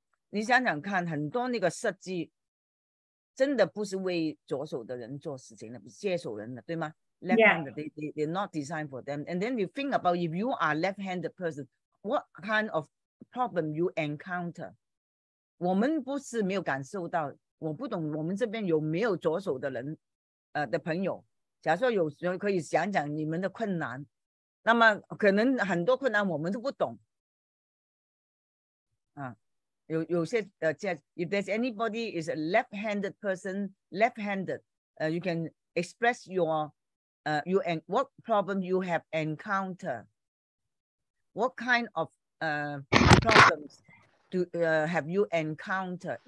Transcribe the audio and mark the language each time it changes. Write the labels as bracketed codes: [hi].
[zh] 你想想看，很多那个设计真的不是为左手的人做事情的，不是接手人的，对吗？ [en] Left-handed, they're not designed for them. And then you think about if you are a left-handed person, what kind of problem you encounter. [zh] 我们不是没有感受到，我不懂我们这边有没有左手的人，的朋友。假如说有时候可以讲讲你们的困难，那么可能很多困难我们都不懂。啊，有些 [en] if there's anybody is a left-handed person, left-handed, you can express your, what problem you have encountered, what kind of problems do have you encountered?